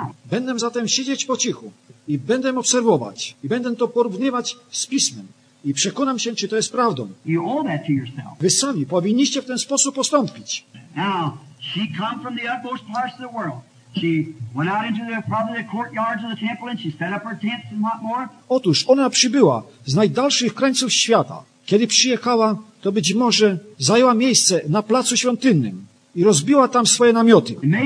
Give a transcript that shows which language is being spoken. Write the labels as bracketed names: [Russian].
[Polish] Będę zatem siedzieć po cichu i będę obserwować i będę to porównywać z Pismem i przekonam się, czy to jest prawdą. Wy sami powinniście w ten sposób postąpić. [English] Now, she come from the utmost parts of the world. She went out into the probably the courtyards of the temple and she set up her tents and what more. [Polish] Otóż ona przybyła z najdalszych krańców świata. Kiedy przyjechała, to być może zajęła miejsce na placu świątynnym i rozbiła tam swoje namioty.